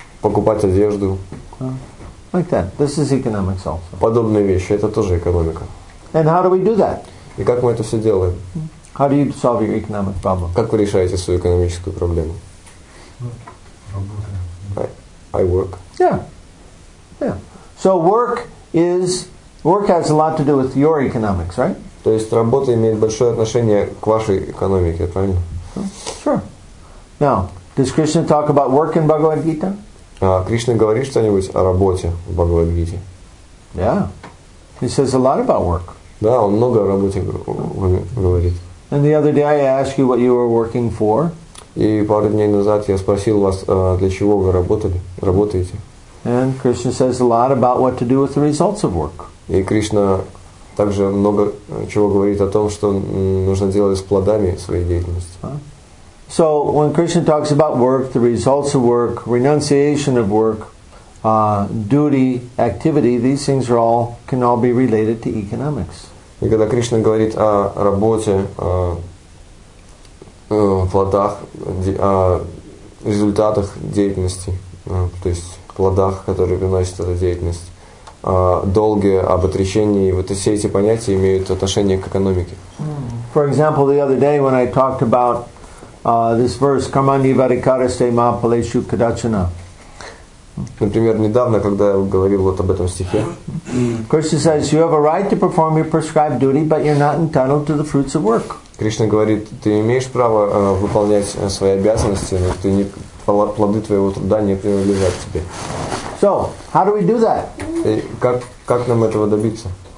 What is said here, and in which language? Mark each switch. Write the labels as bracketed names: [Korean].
[Russian] Покупать одежду. [English] Like that. This is economics also. [Russian] Подобные вещи, это тоже экономика. [English] And how do we do that? [Russian] И как мы это все делаем? [English] How do you solve your economic problem? [Russian] Как вы решаете свою экономическую проблему? Работаю. [English] I work. Yeah. So work has a lot to do with your economics, right? [Russian] То есть работа имеет большое отношение к вашей экономике, правильно? [English] Sure. Now, does Krishna talk about work in Bhagavad Gita? [Russian] Кришна говорит что-нибудь о работе в Бхагавад Гите? [English] Yeah. He says a lot about work. [Russian] Да, он много о работе говорит. [English] And the other day I asked you what you were working for. [Russian] И пару дней назад я спросил вас, для чего вы работаете. [English] And Krishna says a lot about what to do with the results of work. [Russian] И Кришна также много чего говорит о том, что нужно делать с плодами своей деятельности. [English] So when Krishna talks about work, the results of work, renunciation of work, duty, activity, these things are all can all be related to economics. [Russian] И когда Кришна говорит о работе, плодах, о результатах деятельности, то есть плодах, которые приносит эта деятельность, долге, об отречении, вот все эти понятия имеют отношение к экономике. [English] For example, the other day when I talked about this verse, [Sanskrit] Karmani Varikaraste Mahapaleshu Kadachana. [Russian] Например, недавно, когда я говорил вот об этом стихе. [English] Krishna says, you have a right to perform your prescribed duty, but you're not entitled to the fruits of work. [Russian] Кришна говорит, ты имеешь право выполнять свои обязанности, но ты не, плоды твоего труда не принадлежат тебе. [English] So, how do we do that? [Russian] И как нам этого добиться?